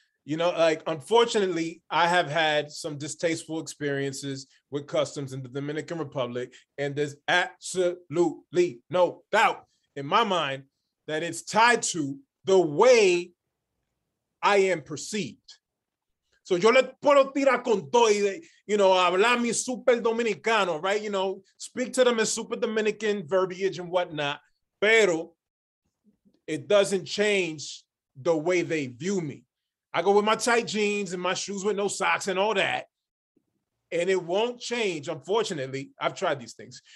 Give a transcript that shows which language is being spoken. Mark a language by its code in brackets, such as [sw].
[en] You know, like, unfortunately, I have had some distasteful experiences with customs in the Dominican Republic, and there's absolutely no doubt in my mind that it's tied to the way I am perceived. [es] So yo le puedo tirar con todo, [en] you know, [es] hablar mi super dominicano, [en] right? You know, speak to them in super Dominican verbiage and whatnot, pero it doesn't change the way they view me. I go with my tight jeans and my shoes with no socks and all that, and it won't change, unfortunately. I've tried these things.